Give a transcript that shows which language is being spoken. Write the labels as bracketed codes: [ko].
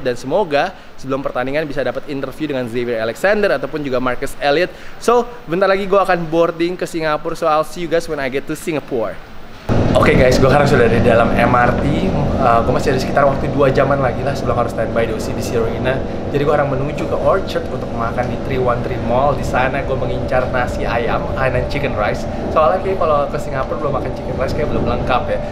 [id] Dan semoga sebelum pertandingan bisa dapat interview dengan Xavier Alexander ataupun juga Marcus Elliot. So, bentar lagi gue akan boarding ke Singapura. [en] So, I'll see you guys when I get to Singapore. [id] Oke guys, gue sekarang sudah ada di dalam MRT. Gue masih ada sekitar waktu 2 jaman lagi lah sebelum harus standby di OCBC Arena. Jadi gue sekarang menuju ke Orchard untuk makan di 313 Mall. Di sana gue mengincar nasi ayam dan chicken rice. Soalnya kayak kalau ke Singapura belum makan chicken rice kayak belum lengkap ya.